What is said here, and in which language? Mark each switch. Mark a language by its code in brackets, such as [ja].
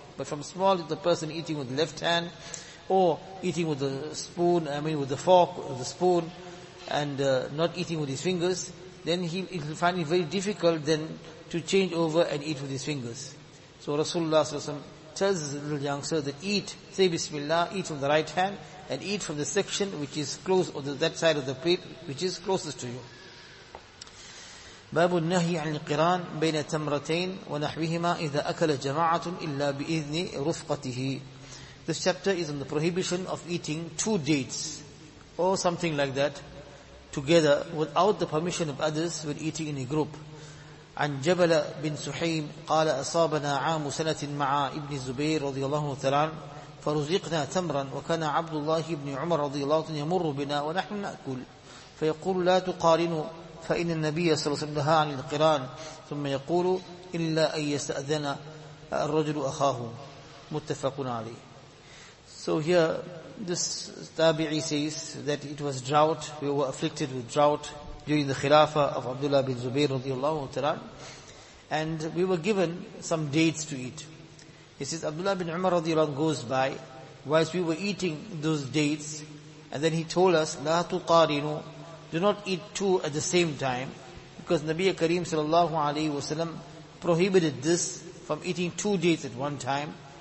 [en] But from small, if the person is eating with the left hand or eating with the spoon, I mean with the fork or the spoon, and not eating with his fingers, then he'll find it very difficult then to change over and eat with his fingers. So Rasulullah SAW tells the little youngster that eat, say Bismillah, eat from the right hand and eat from the section which is close, or that side of the plate which is closest to you. [ar] باب النهي عن القران بين تمرتين ونحوهما اذا اكل جماعه الا باذن رفقته. [en] This chapter is on the prohibition of eating two dates or something like that together without the permission of others when eating in a group. [ar] عن جبل بن سحيم قال اصابنا عام سنه مع ابن الزبير رضي الله تعالى فرزقنا تمرا وكان عبد الله بن عمر رضي الله عنه يمر بنا ونحن ناكل فيقول لا تقارنوا فإن النبي صلى الله عليه وسلم نهى عن القران ثم يقول إلا أن يستأذن الرجل أخاه متفق عليه. [en] So here this Tabi'i says that it was drought, we were afflicted with drought during the Khilafah of Abdullah bin Zubair رضي الله تعالى, and we were given some dates to eat. He says Abdullah bin Umar رضي الله عنه goes by whilst we were eating those dates, and then he told us [ar] لا تقارنوا, [en] do not eat two at the same time, because Nabi Kareem sallallahu alayhi wa sallam prohibited this from eating two dates at one time.